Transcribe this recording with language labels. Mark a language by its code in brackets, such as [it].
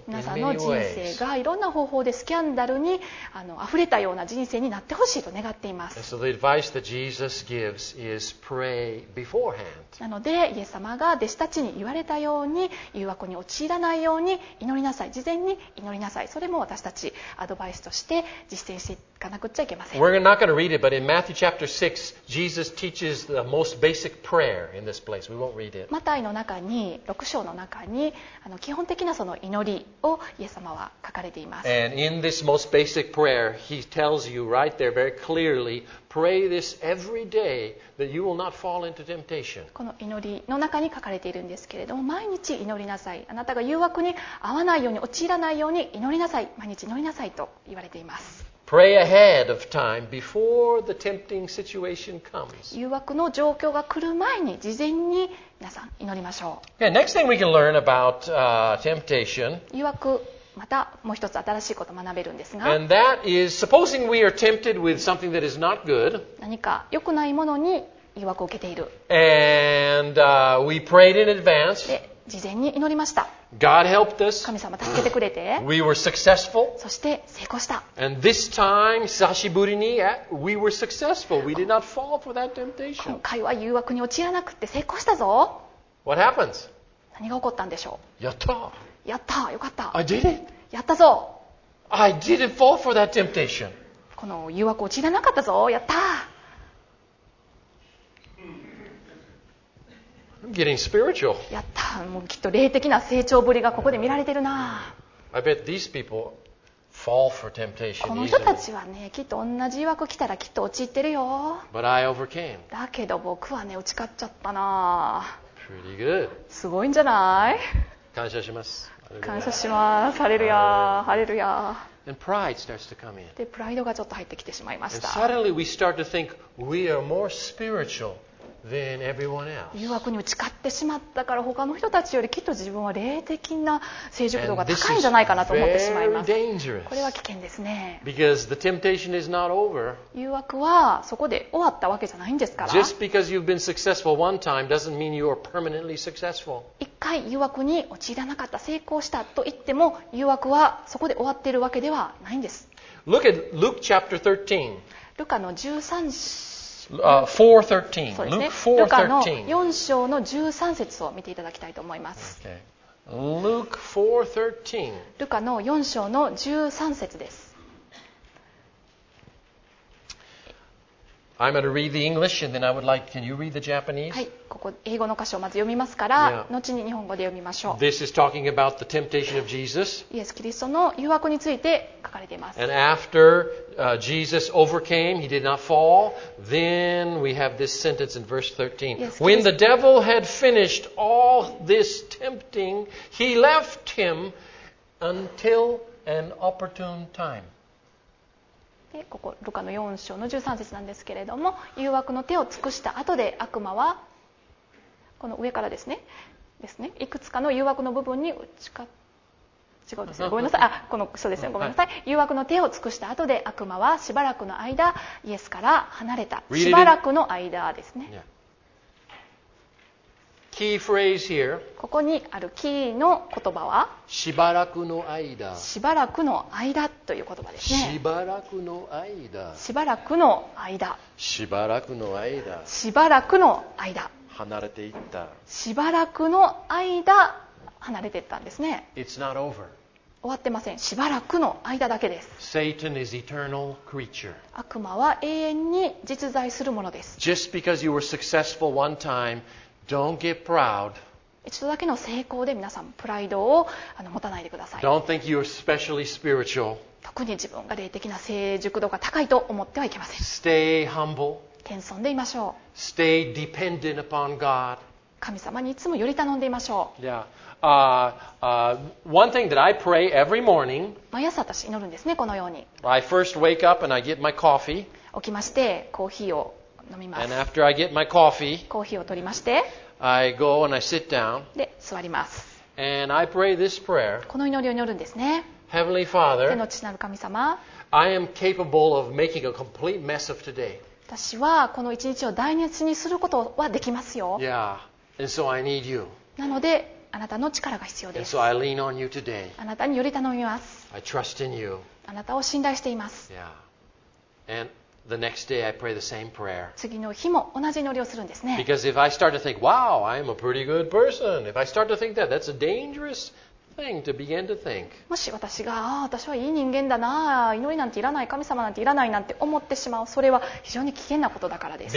[ja] 皆さんの人生がいろんな方法でスキャンダルに溢れたような人生になってほしいと願っています。 [en] And so the advice that Jesus gives is pray beforehand. [ja] なのでイエス様が弟子たちに言われたように誘惑に陥らないように祈りなさい。事前に祈りなさい。それも私たちアドバイスとして実践していかなくちゃいけません。 [en] We're not going to read it, but in Matthew chapter 6, Jesus teaches the most basic prayer in this place. We won't read it. [ja] マタイの中に、6章の中に基本的なその祈りをイエス様は書かれています。 [en] And in this most basic prayer, he tells you right there very clearly, pray this every day that you will not fall into temptation. [ja] この祈りの中に書かれているんですけれども、毎日祈りなさい。あなたが誘惑に遭わないように、陥らないように祈りなさい。毎日祈りなさいと言われています。 [en] Pray ahead of time before the tempting situation comes. [ja] 誘惑の状況が来る前に事前に皆さん祈りましょう。 [en] Okay, next thing we can learn about temptation. [ja] 誘惑またもう一つ新しいことを学べるんですが。 [en] And that is, supposing we are tempted with something that is not good. [ja] 何か良くないものに誘惑を受けている。 [en] And we prayed in advance. [ja] で、事前に祈りました。 [en] God helped us. [ja] 神様助けてくれて。 [en] We were successful. [ja] そして成功した。 [en] And this time, [ja] 久しぶりに、 [en] we were successful. We did not fall for that temptation. [ja] 今回は誘惑に陥らなくて成功したぞ。 [en] What happens? [ja] 何が起こったんでしょう。やった。やった。よかった。 [en] I did it. [ja] やったぞ。 [en] I didn't fall for that temptation. [ja] この誘惑陥らなかったぞ。やった。 [en] I'm getting spiritual. [ja] やった。もうきっと霊的な成長ぶりがここで見られてるな。 [en] I bet these people fall for temptation. [ja] この人たちはね、きっと同じ誘惑来たらきっと陥ってるよ。 [en] But I overcame. [ja] だけど僕はね、打ち勝っちゃったな。 [en] Pretty good. [ja] すごいんじゃない？感謝します。感謝します。ハレルヤ、ハレルヤ。 [en] And pride starts to come in. [ja] で、プライドがちょっと入ってきてしまいました。 [en] And suddenly we start to think we are more spiritual. Than everyone else. [ja] 誘惑に打ち勝ってしまったから他の人たちよりきっと自分は霊的な成熟度が高いんじゃないかなと思ってしまいます。これは危険ですね。 [en] Because the temptation is not over. [ja] 誘惑はそこで終わったわけじゃないんですから。 [en] Just because you've been successful one time doesn't mean you are permanently successful. [ja] 一回誘惑に陥らなかった、成功したと言っても誘惑はそこで終わっているわけではないんです。 [en] Look at Luke chapter 13. [ja] ルカの13章 [en] 4:13. I'm going to read the English and then I would like, can you read the Japanese? [ja] はい、ここ英語の箇所をまず読みますから、yeah. 後に日本語で読みましょう。 [en] This is talking about the temptation of Jesus. [ja] イエス・キリストの誘惑について書かれています。 [en] And after Jesus overcame, he did not fall. Then we have this sentence in verse 13. When the devil had finished all this tempting, he left him until an opportune time. [ja] でここルカの4章の13節なんですけれども、誘惑の手を尽くした後で悪魔はこの上からですね、ですね、いくつかの誘惑の部分に打ち勝っ、違うですね、ごめんなさい、あ、このそうですね、ごめんなさい、誘惑の手を尽くした後で悪魔はしばらくの間イエスから離れた。しばらくの間ですね。キーフレーズ [en] here. [ja] ここにあるキーの言葉はしばらくの間。しばらくの間という言葉ですね。しばらくの間。しばらくの間。しばらくの間。しばらくの間。離れていった。しばらくの間離れていったんですね。 [en] It's not over. [ja] 終わってません。しばらくの間だけです。 [en] Satan is eternal creature. [ja] 悪魔は永遠に実在するものです。 [en] Just because you were successful one time. Don't get proud. [ja] 一度だけの成功で皆さんプライドを持たないでください。 [en] Don't think you're especially spiritual. [ja] 特に自分が霊的な成熟度が高いと思ってはいけません。 [en] Stay humble. [ja] 謙遜でいましょう。 [en] Stay dependent upon God. [ja] 神様にいつもより頼んでいましょう。 [en] Yeah. One thing that I pray every morning. [ja] 毎朝私祈るんですね、このように。 [en] I first wake up and I get my coffee. [ja] 起きましてコーヒーを [en] And after I get my coffee, [ja] コーヒーを取りまして、 [en] I go and I sit down. [ja] で、座ります。 [en] And I pray this prayer. [ja] この祈りを祈るんですね。 [en] Heavenly Father, [ja] 天の父なる神様、 [en] I am capable of making a complete mess of today. [ja] 私はこの一日を台無しにすることはできますよ。 [en] Yeah. And so I need you. [ja] なので、あなたの力が必要です。 [en] And so I lean on you today. [ja] あなたにより頼みます。 [en] I trust in you. [ja] あなたを信頼しています。 [en] Yeah. And the next day I pray the same prayer. [ja] 次の日も同じ祈りをするんですね。 [en] Because if I start to think, wow, I am a pretty good person. If I start to think that, that's a dangerous thing to begin to think. [ja] もし私が、ああ、私はいい人間だな、祈りなんていらない、神様なんていらないなんて思ってしまう、それは非常に危険なことだからです。